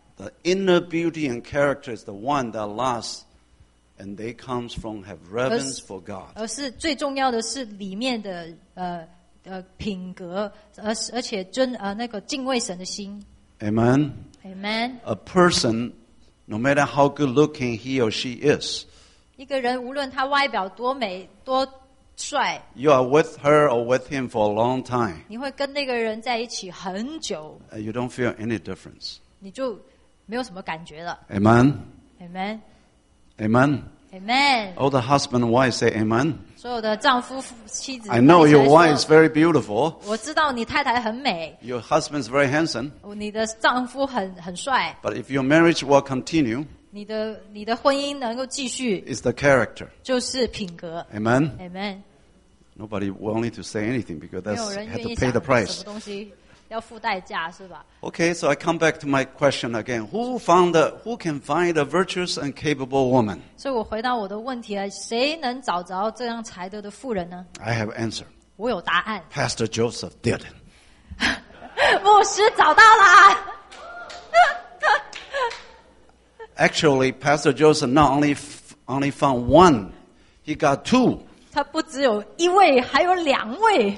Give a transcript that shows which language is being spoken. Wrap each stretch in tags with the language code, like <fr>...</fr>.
<en>The inner beauty and character is the one that lasts. And they come from have reverence for God.</en> <zh>而是最重要的是里面的品格，而且那个敬畏神的心。</zh> <en>Amen. Amen. A person, no matter how good looking he or she is,</en> <zh>一个人无论他外表多美多帅</zh> <en>，you are with her or with him for a long time.</en> <zh>你会跟那个人在一起很久。</zh> <en>You don't feel any difference.</en> <zh>你就没有什么感觉了。</zh> <en>Amen. Amen. Amen. Amen. All the husband and wife say Amen.</en> <zh>所有的丈夫妻子。</zh> <en>I know your wife is very beautiful.</en> <zh>我知道你太太很美。</zh> <en>Your husband is very handsome.</en> <zh>你的丈夫很帅。</zh> <en>But if your marriage will continue,</en> <zh>你的婚姻能够继续。</zh> <en>Is the character.</en> <zh>就是品格。</zh> <en>Amen. Amen. Nobody wanted to say anything because that's had to pay the price.</en> <zh>没有人愿意讲什么东西要付代价是吧</zh> <en>？Okay, so I come back to my question again. Who can find a virtuous and capable woman?</en> <zh>所以我回到我的问题了，谁能找着这样才德的妇人呢</zh> <en>？I have answer.</en> <zh>我有答案。</zh> <en>Pastor Joseph did.</en> <zh>牧师找到了。</zh> <en>Actually, Pastor Joseph not only found one, he got two.</en> <zh>他不只有一位，还有两位。</zh>